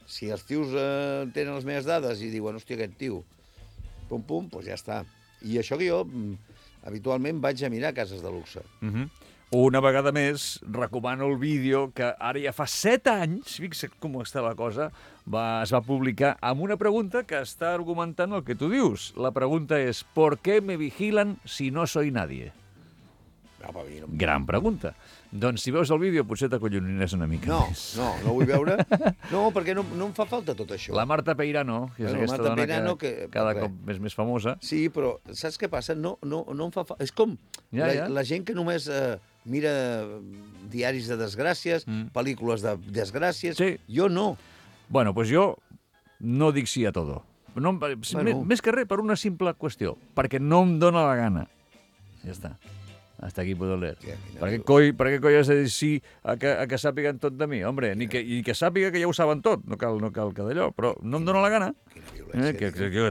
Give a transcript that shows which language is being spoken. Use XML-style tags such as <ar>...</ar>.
<ca>Si els tios tenen les meves dades i diuen, hòstia, aquest tio, pum, pum, doncs ja està. I això que jo habitualment vaig a mirar cases de luxe. Una vegada més, recomano el vídeo que ara ja fa 7 anys, fixa't com està la cosa, es va publicar amb una pregunta que està argumentant el que tu dius. La pregunta és,</ca> <es>¿por qué me vigilan si no soy nadie?</es> <ca>Gran pregunta. Doncs si veus el vídeo, potser t'acolloniràs una mica més. No vull veure. No, perquè no em fa falta tot això. La Marta Peirano, que és aquesta dona que cada cop és més famosa. Sí, però saps què passa? No em fa falta. És com la gent que només... mira diaris de desgràcies, pel·lícules de desgràcies... Sí. Jo no. Bueno, pues jo no dic sí</ca> <es>a todo.</es> <ca>No, més que res, per una simple qüestió. Perquè no em dóna la gana. Ja està.</ca> <es>Hasta aquí puedo leer.</es> <ca>Per què coi has de dir sí a que sàpiguen tot de mi? Hombre, ni que sàpiga que ja ho saben tot. No cal que d'allò, però no em dóna la gana. Quina violència.</ca>